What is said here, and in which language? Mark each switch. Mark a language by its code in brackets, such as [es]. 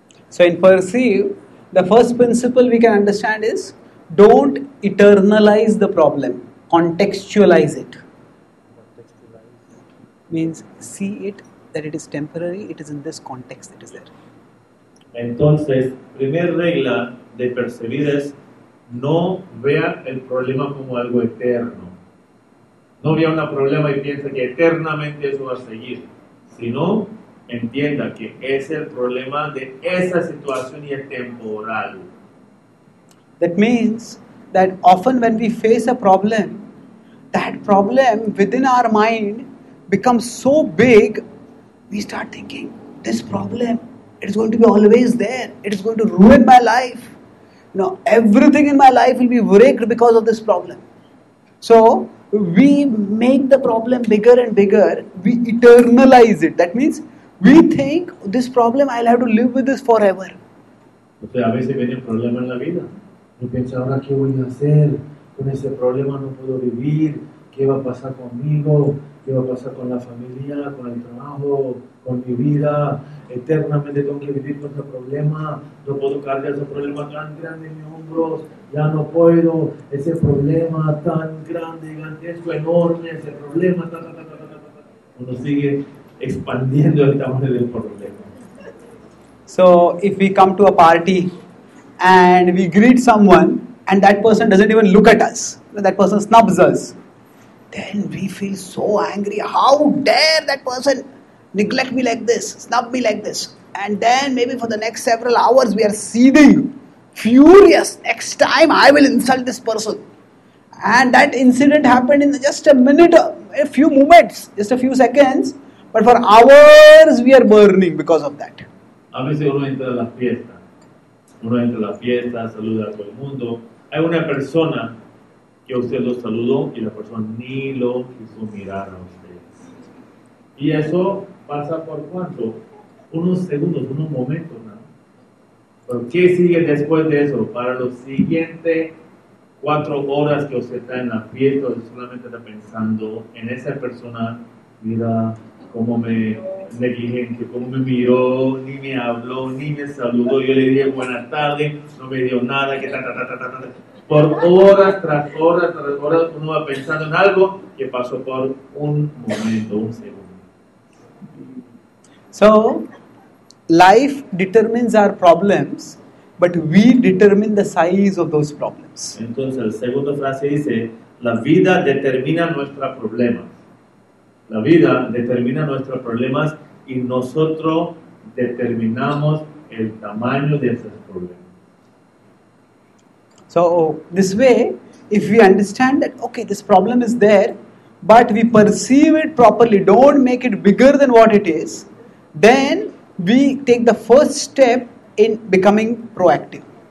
[en] So in perceive, the first principle we can understand is don't eternalize the problem, contextualize it. Means see it that it is temporary, it is in this context it is there. [es] Entonces, primer regla de percibir es no vea el problema como algo eterno. No vea un problema y piensa que eternamente eso va a seguir, sino entienda que es el problema de esa situación y es temporal. [en] That means that often when we face a problem, that problem within our mind becomes so big, we start thinking, this problem, it is going to be always there. It is going to ruin my life. Now, everything in my life will be wrecked because of this problem. So, we make the problem bigger and bigger. We eternalize it. That means, we think, this problem, I'll have to live with this forever. [es] O sea, a veces viene un problema en la vida. Yo pienso, ahora qué voy a hacer. Con ese problema no puedo vivir. ¿Qué va a pasar conmigo? ¿Qué va a pasar con la familia, con el trabajo, con mi vida? Eternamente tengo que vivir con ese problema. No puedo cargar ese problema tan grande en mis hombros. Ya no puedo. Ese problema tan grande, gigantesco, enorme, ese problema. Uno sigue expandiendo el tamaño del problema. [en] So, if we come to a party and we greet someone and that person doesn't even look at us, that person snubs us, then we feel so angry. How dare that person neglect me like this, snub me like this. And then maybe for the next several hours we are seething, furious. Next time I will insult this person. And that incident happened in just a minute, a few moments, just a few seconds. But for hours we are burning because of that. [es] A veces uno entra a la fiesta. Uno entra a la fiesta, saluda a todo el mundo. Hay una persona que usted lo saludó y la persona ni lo quiso mirar a usted. ¿Y eso pasa por cuánto? Unos segundos, unos momentos, ¿no? ¿Pero qué sigue después de eso? Para los siguientes 4 horas que usted está en la fiesta, usted solamente está pensando en esa persona, mira cómo me negligente, cómo me miró, ni me habló, ni me saludó. Yo le dije buenas tardes, no me dio nada, que ta ta ta ta ta ta. Por horas tras horas tras horas uno va pensando en algo que pasó por un momento, un segundo. [en] So, life determines our problems, but we determine the size of those problems. [es] Entonces, la segunda frase dice, la vida determina nuestros problemas. La vida determina nuestros problemas y nosotros determinamos el tamaño de esos problemas. [en] So, this way, if we understand that, okay, this problem is there, but we perceive it properly, don't make it bigger than what it is, then we take the first step in becoming proactive.